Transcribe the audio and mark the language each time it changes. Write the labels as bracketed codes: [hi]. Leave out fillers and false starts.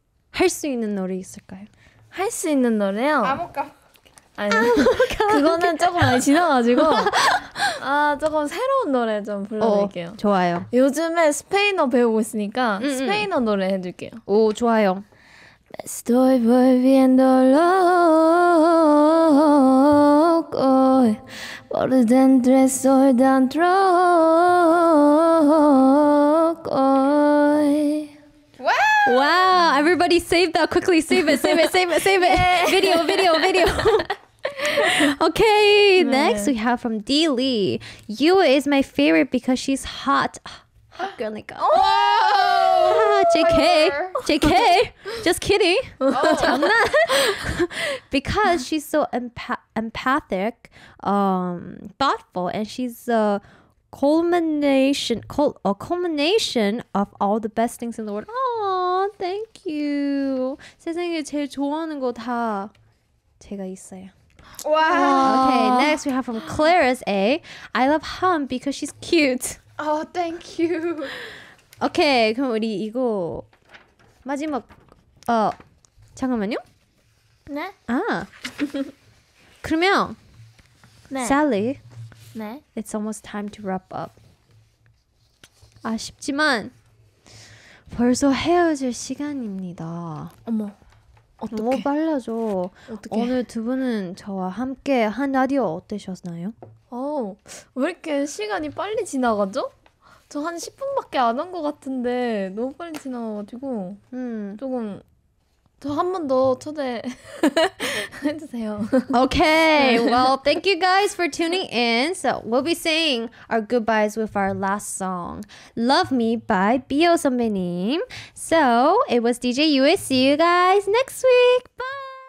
[ko] 할 수 있는 노래 있을까요? 할 수 있는 노래요? 아무까. 아니 아무까. 그거는 조금 많이 지나가지고 아 조금 새로운 노래 좀 불러드릴게요. 어, 좋아요. 요즘에 스페인어 배우고 있으니까 스페인어 노래 해줄게요. 오 좋아요. [es] Estoy volviendo loco por dentro estoy tan troco. [en] Wow, I Everybody save that quickly. Save it. Save it. Save it. Save it. Video. Video. Video. Okay. 네. Next we have from D Lee. Yua is my favorite because she's hot. Hot girl. Like, oh. JK. JK. Just kidding. Oh. Because she's so empathic, thoughtful, and she's culmination of all the best things in the world. Oh, thank you. [ko] 세상에 제일 좋아하는 거 다 제가 있어요. [en] Wow. Okay, next we have from Clarice A. I love Hum because she's cute. Oh, thank you. [ko] Okay, 그럼 우리 이거 마지막 잠깐만요. 네? 아. 그러면 네. Sally. 네. [en] It's almost time to wrap up. [ko] 아쉽지만 벌써 헤어질 시간입니다. 어머. 어떻게? 너무 빨라져. 어떻게? 오늘 두 분은 저와 함께 한 라디오 어떠셨나요? 어. 왜 이렇게 시간이 빨리 지나가죠? 저 한 10분밖에 안 한 것 같은데 너무 빨리 지나가지고 조금 저 한 번 더 초대 해주세요. [en] Okay, well, thank you guys for tuning in. So we'll be saying our goodbyes with our last song, Love Me by B.O. 선배님. So it was DJ Yua. See you guys next week. Bye!